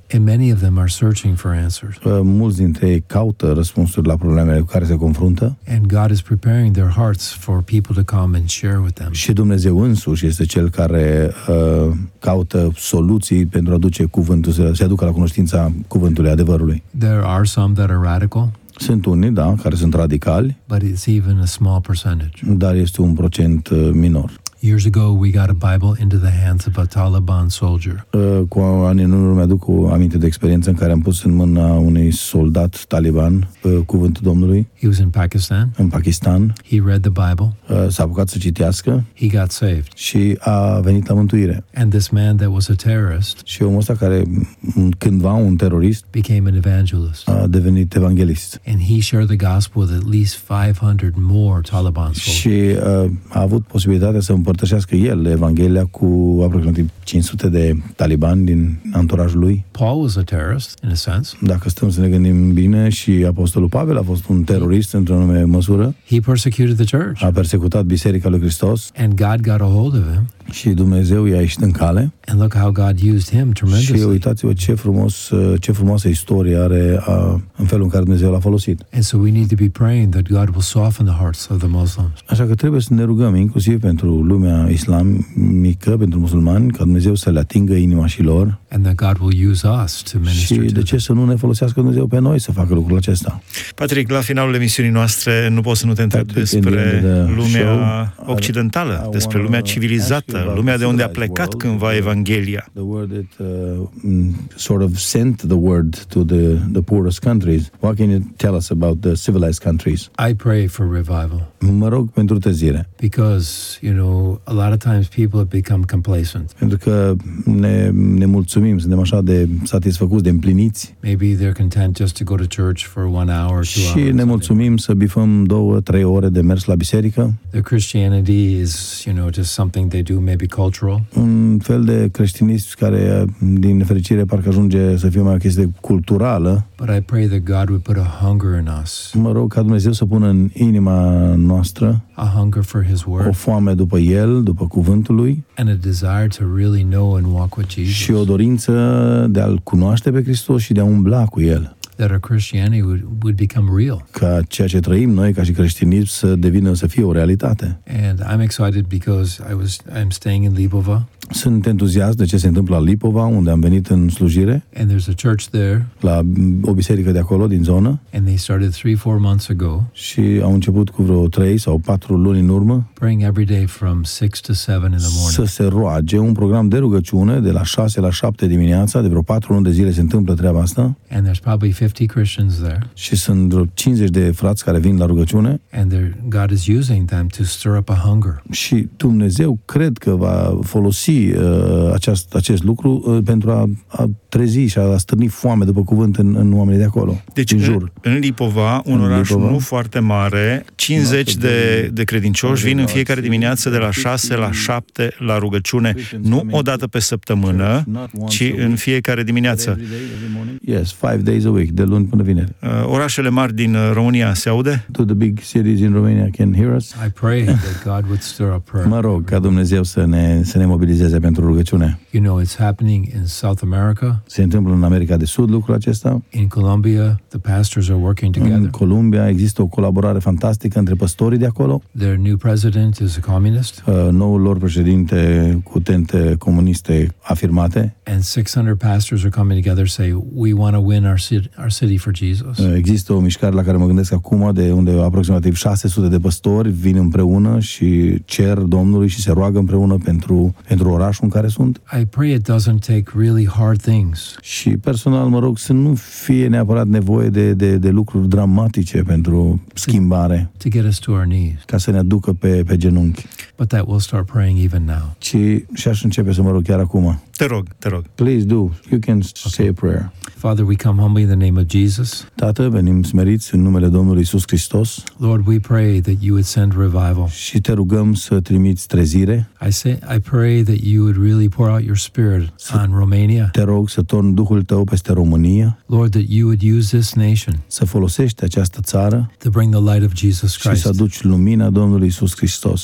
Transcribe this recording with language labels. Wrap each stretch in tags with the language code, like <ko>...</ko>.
<en>And many of them are searching for answers.</en> <ro>Mulți dintre ei caută răspunsuri la problemele cu care se confruntă.</ro> <en>And God is preparing their hearts for people to come and share with them.</en> <ro>Și Dumnezeu însuși este cel care caută soluții pentru a duce cuvântul, să aducă la cunoștința cuvântului adevărului.</ro> <en>There are some that are radical.</en> <ro>Sunt unii, da, care sunt radicali.</ro> <en>But it's even a small percentage.</en> <ro>Dar este un procent minor.</ro> <en>Years ago we got a Bible into the hands of a Taliban soldier.</en> <ro>Cu ani în urmă mi-aduc o aminte de experiență în care am pus în mâna unui soldat taliban cuvântul Domnului.</ro> <en>He was in Pakistan.</en> <ro>În Pakistan.</ro> <en>He read the Bible.</en> <ro>S-a apucat să citească.</ro> <en>He got saved.</en> <ro>Și a venit la mântuire.</ro> <en>And this man that was a terrorist.</en> <ro>Și omul ăsta care cândva un terorist</ro> <en>became an evangelist.</en> <ro>A devenit evanghelist.</ro> <en>And he shared the gospel with at least 500 more Taliban soldiers.</en> <ro>Și a avut posibilitatea să împărtășească el Evanghelia cu aproximativ 500 de talibani din anturajul lui.</ro> <en>Paul was a terrorist, in a sense.</en> <ro>Dacă stăm să ne gândim bine, și apostolul Pavel a fost un terorist într-o anume măsură.</ro> <en>He persecuted the church.</en> <ro>A persecutat biserica lui Hristos.</ro> <en>And God got a hold of him.</en> <ro>Și Dumnezeu i-a ieșit în cale.</ro> <en>And look how God used him tremendously.</en> <ro>Și uitați-vă ce frumoasă istorie are în felul în care Dumnezeu l-a folosit.</ro> <en>And so we need to be praying that God will soften the hearts of the Muslims.</en> <ro>Așa că trebuie să ne rugăm inclusiv pentru lumea islamică, pentru musulmani, ca Dumnezeu să le atingă inima și lor.</ro> <en>And that God will use us to minister.</en> <ro>Și de ce să nu ne folosească Dumnezeu pe noi să facă lucrul acesta? Patrick, la finalul emisiunii noastre, nu pot să nu te întreb despre lumea occidentală, despre lumea civilizată. Lumea de unde a plecat cândva Evanghelia.</ro> <en>The word that sort of sent the word to the poorest countries. What can you tell us about the civilized countries? I pray for revival.</en> <ro>Mă rog pentru trezire.</ro> <en>Because, you know, a lot of times people have become complacent.</en> <ro>Pentru că ne mulțumim, suntem așa de satisfăcuți, de împliniți.</ro> <en>Maybe they're content just to go to church for one hour, two hours.</en> <ro>Și ne mulțumim să bifăm 2-3 ore de mers la biserică.</ro> <en>The Christianity is, you know, just something they do, maybe cultural.</en> <ro>Un fel de creștinism care, din nefericire, parcă ajunge să fie mai o chestie culturală.</ro> <en>But I pray that God would put a hunger in us.</en> <ro>Mă rog ca Dumnezeu să pună în inima noastră,</ro> <en>a hunger for his word,</en> <ro>o foame după el, după cuvântul lui,</ro> <en>and a desire to really know and walk with Jesus.</en> <ro>Și o dorință de a-l cunoaște pe Hristos și de a umbla cu el.</ro> <en>that our Christianity would become real.</en> <ro>Ca ceea ce trăim noi ca și creștinism să devină, să fie o realitate.</ro> <en>And I'm excited because I'm staying in Lipova.</en> <ro>Sunt entuziast de ce se întâmplă la Lipova, unde am venit în slujire.</ro> <en>And there's a church there.</en> <ro>La o biserică de acolo din zonă.</ro> <en>And they started 3-4 months ago.</en> <ro>Și au început cu vreo 3 sau 4 luni în urmă.</ro> <en>Praying every day from 6 to 7 in the morning.</en> <ro>Să se roage, un program de rugăciune de la 6 la 7 dimineața, de vreo 4 luni de zile se întâmplă treaba asta.</ro> <en>And there's probably 50 Christians there.</en> <ro>Și sunt vreo 50 de frați care vin la rugăciune.</ro> <en>And God is using them to stir up a hunger.</en> <ro>Și Dumnezeu cred că va folosi acest lucru pentru a trezi și a stârni foame după cuvânt în oamenii de acolo. Deci în jur. În Lipova, un oraș nu foarte mare, 50 de credincioși vin în fiecare dimineață de la 6 la 7 la rugăciune, nu o dată pe săptămână, ci în fiecare dimineață.</ro> <en>Yes, 5 days a week,</en> <ro>de luni până vineri. Orașele mari din România se aude?</ro> <en>Do the big cities in Romania can hear us? I pray that God would stir up prayer.</en> <ro>Mă rog ca Dumnezeu să ne mobilizeze pentru rugăciune.</ro> <en>You know, it's happening in South America.</en> <ro>Se întâmplă în America de Sud lucrul acesta.</ro> <en>In Colombia, the pastors are working together.</en> <ro>În Colombia există o colaborare fantastică între păstorii de acolo.</ro> <en>Their new president is a communist.</en> <ro>Noul lor președinte cu tente comuniste afirmate.</ro> <en>And 600 pastors are coming together say we want to win our city for Jesus.</en> <ro>Există o mișcare la care mă gândesc acum, de unde aproximativ 600 de păstori vin împreună și cer Domnului și se roagă împreună pentru orașul în care sunt.</ro> <en>I pray it doesn't take really hard things.</en> <ro>Și personal mă rog să nu fie neapărat nevoie de lucruri dramatice pentru schimbare.</ro> <en>To get us to our knees.</en> <ro>Ca să ne aducă pe genunchi.</ro> <en>But that we'll start praying even now.</en> <ro>Și aș începe să mă rog chiar acum. Te rog.</ro> <en>Please do. You can say a prayer. Father, we come humbly in the name of Jesus.</en> <ro>Tată, venim smeriți în numele Domnului Iisus Hristos.</ro> <en>Lord, we pray that you would send revival.</en> <ro>Și te rugăm să trimiți trezire.</ro> <en>I pray that you would really pour out your spirit on Romania.</en> <ro>Te rog să torni Duhul tău peste România.</ro> <en>Lord, that you would use this nation.</en> <ro>Să folosești această țară.</ro> <en>To bring the light of Jesus Christ.</en> <ro>Și să aduci lumina Domnului Iisus Hristos.</ro>